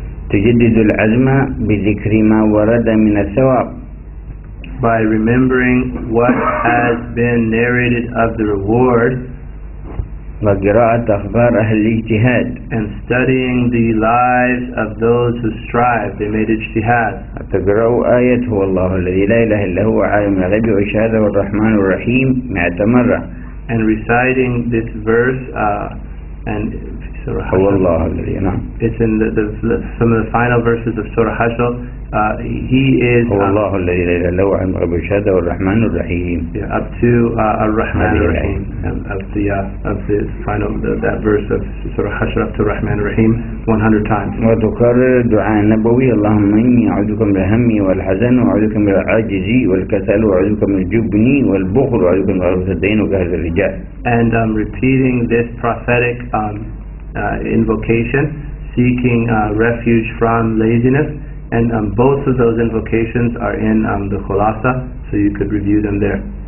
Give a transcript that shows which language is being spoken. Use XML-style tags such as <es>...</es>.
<ar>تجدد العزم بذكر ما ورد من الثواب.</ar> <en>By remembering what has been narrated of the reward.</en> <ar>وقراءة أخبار أهل الاجتهاد.</ar> <en>And studying the lives of those who strive, they made اجتهاد.</en> <ar>تقرأ آية هو الله الذي لا إله إلا هو عالم الغيب والشهادة والرحمن الرحيم 100 مرة.</ar> <en>And reciting this verse and Surah Hashr. It's in some of the final verses of Surah Hashr.</en> <ar>هو الله الذي لا إله إلا هو عالم الغيب والشهادة والرحمن الرحيم.</ar> <en>Yeah, up to</en> <ar>الرحمن الرحيم.</ar> <en>Of the final that verse of Surah Hashr up to الرحمن الرحيم 100 times.</en> <ar>وتكرر الدعاء النبوي اللهم إني أعوذك من الهم والحزن وأعوذك من العجز والكسل وأعوذك من الجبن والبخل وأعوذك من غلبة الدين وكهذا الرجال.</ar> <en>And repeating this prophetic invocation, seeking refuge from laziness. And both of those invocations are in the Khulasa, so you could review them there.</en>